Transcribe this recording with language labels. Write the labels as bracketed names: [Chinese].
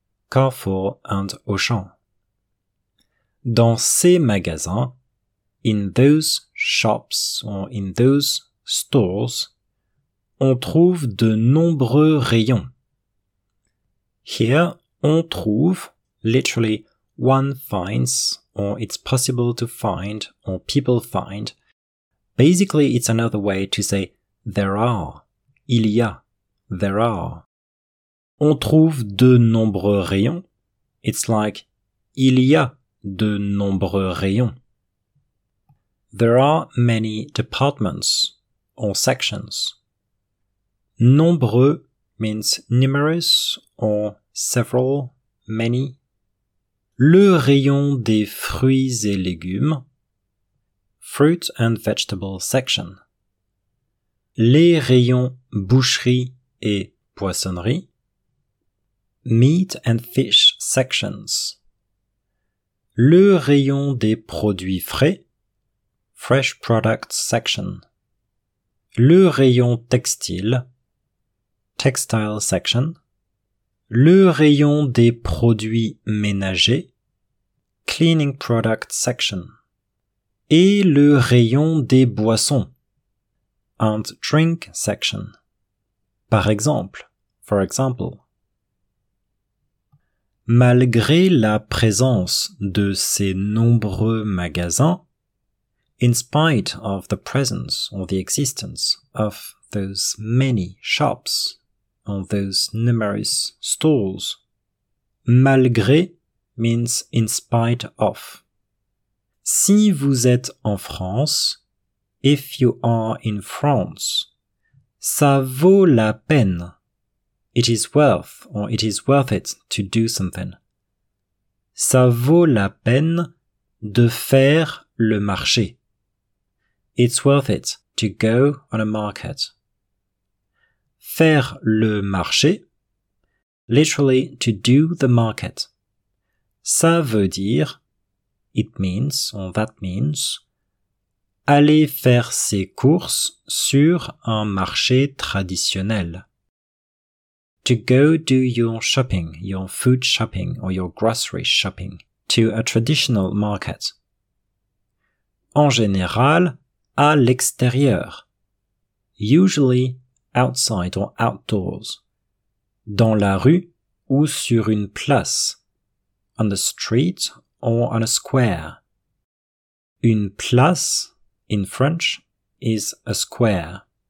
[French] Carrefour and Auchan. Dans ces magasins, [English] in those shops or in those stores, [French] on trouve de nombreux rayons. [English] Here, [French] on trouve, [English] literally, one finds, or it's possible to find, or people find. Basically, it's another way to say there are, [French] il y a, [English] there are. [French] On trouve de nombreux rayons. [English] It's like, [French] il y a de nombreux rayons. [English] There are many departments or sections. Nombreux means numerous or several, many. [French] Le rayon des fruits et légumes. [English] Fruit and vegetable section. [French] Les rayons boucherie et poissonnerie. [English] Meat and fish sections. [French] Le rayon des produits frais. [English] Fresh products section. [French] Le rayon textile. [English] Textile section. [French] Le rayon des produits ménagers. [English] Cleaning product section. [French] Et le rayon des boissons. [English] And drink section. [French] Par exemple. [English] For example. [French] Malgré la présence de ces nombreux magasins, [English] in spite of the presence or the existence of those many shops or those numerous stalls. Malgré means in spite of. [French] Si vous êtes en France, [English] if you are in France, [French] ça vaut la peine. [English] It is worth or it is worth it to do something. [French] Ça vaut la peine de faire le marché. [English] It's worth it to go on a market. [French] Faire le marché, [English] literally to do the market. [French] Ça veut dire, [English] it means, or that means, [French] aller faire ses courses sur un marché traditionnel. [English] To go do your shopping, your food shopping, or your grocery shopping, to a traditional market. [French] En général, à l'extérieur. [English] Usually, outside or outdoors. [French] Dans la rue ou sur une place. [English] On the street or on a square. [French] Une place, [English] in French, is a square.